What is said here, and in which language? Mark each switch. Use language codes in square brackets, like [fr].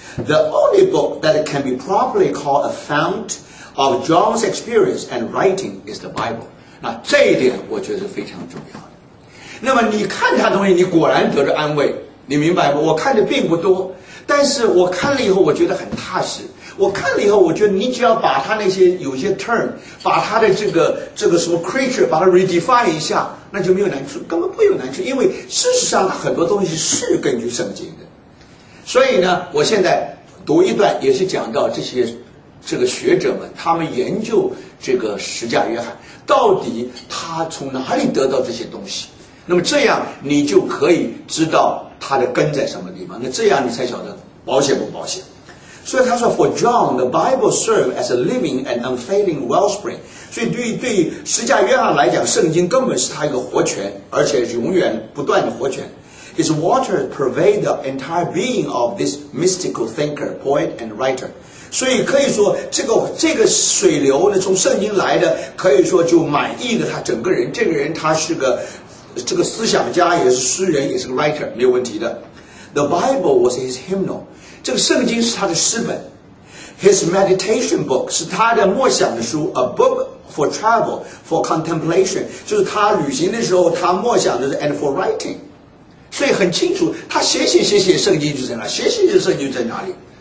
[en] The only book that can be properly called a fount of John's experience and writing is the Bible。” [zh] 那这一点我觉得是非常重要的。那么你看他的东西，你果然得着安慰，你明白吗？我看的并不多，但是我看了以后，我觉得很踏实。我看了以后，我觉得你只要把他那些有些 turn， 把他的这个什么 creature， 把它 redefine 一下，那就没有难处，根本不有难处，因为事实上很多东西是根据圣经的。所以呢，我现在读一段，也是讲到这些这个学者们，他们研究这个十架约翰，到底他从哪里得到这些东西？那么这样你就可以知道他的根在什么地方，那这样你才晓得保险不保险。所以他说 [en] ，For John, the Bible served as a living and unfailing wellspring。 [zh] 所以对于十架约翰来讲，圣经根本是他一个活泉，而且永远不断的活泉。 [en] His water pervade the entire being of this mystical thinker, poet, and writer。 [zh] 所以可以说，这个水流呢，从圣经来的，可以说就满意了他整个人。这个人他是个这个思想家，也是诗人，也是个 writer， 没有问题的。 [en] The Bible was his hymnal。 [zh] 这个圣经是他的诗本 ， [en] his meditation book [zh] 是他的默想的书 ， [en] a book for travel for contemplation [zh] 就是他旅行的时候他默想的 ， [en] and for writing， [zh] 所以很清楚，他写圣经就在哪，写圣经在哪里。